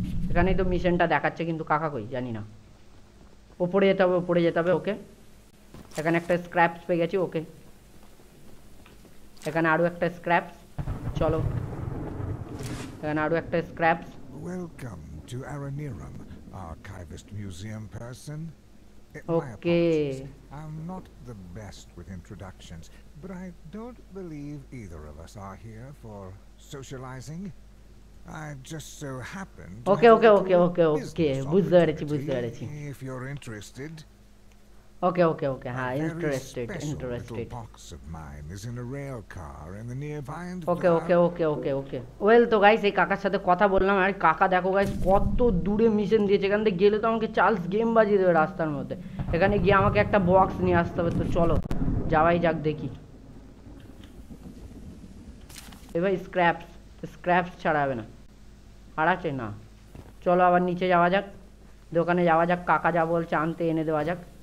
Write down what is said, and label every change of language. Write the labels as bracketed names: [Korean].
[Bangla] এখানেই তো মিশনটা দেখাচ্ছে, কিন্তু কাকা কই জানি না। ওপরে যেতে হবে, ওপরে যেতে হবে। ওকে এখানে একটা স্ক্র্যাপস পেয়ে গেছি, ওকে এখানে আরও একটা স্ক্র্যাপস, চলো এখানে আরও একটা scraps. [English] Welcome to Araniram, archivist museum person. Okay. I'm not the best with introductions, but I don't believe either of us are here for socializing. I just so happened to [Bangla] Okay, বুঝতে পেরেছি। [English] If you're interested. Okay, ha, interested. Little box of mine is in a rail car in the nearby and Okay. [Bangla] Well, তো guys এই কাকার সাথে কথা বললাম। আরে কাকা দেখো গাইস কত দূরে মিশন দিয়েছে, এখান থেকে গেলে তো আমাকে চার্লস গেম বাজিয়ে দেবে রাস্তার মধ্যে। এখানে গিয়ে আমাকে একটা বক্স নিয়ে আসতে হবে, তো চলো যাওয়াই যাক দেখি। এ ভাই স্ক্র্যাপস, স্ক্র্যাপস ছাড়া হবে না, আর আছে না, চলো আবার নিচে যাওয়া যাক, দোকানে যাওয়া যাক, কাকা যা বলছে আনতে এনে দেওয়া যাক।